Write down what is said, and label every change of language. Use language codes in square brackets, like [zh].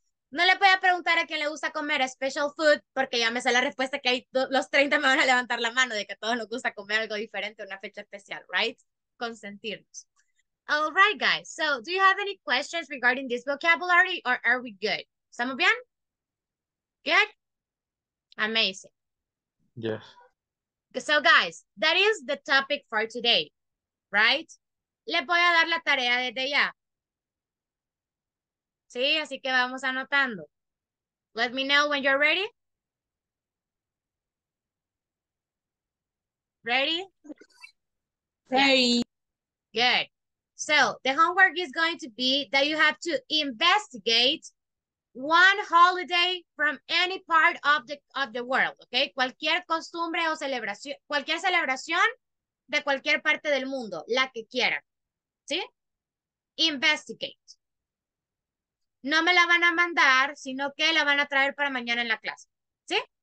[es] No le voy a preguntar a quién le gusta comer [en] special food [es] porque ya me sale la respuesta que hay los 30 me van a levantar la mano de que a todos nos gusta comer algo diferente una fecha especial, right? Consentirnos. [en] All right, guys. So, do you have any questions regarding this vocabulary or are we good? [es] ¿Estamos bien? [en] Good? Amazing. Yes. So, guys, that is the topic for today, right? [es] Le voy a dar la tarea desde ya. Sí, así que vamos anotando. [en] Let me know when you're ready. Ready? Ready. Good. So, the homework is going to be that you have to investigate one holiday from any part of the world, okay? [es] Cualquier costumbre o celebración, cualquier celebración de cualquier parte del mundo, la que quieran. ¿Sí? Investigate. No me la van a mandar, sino que la van a traer para mañana en la clase. ¿Sí?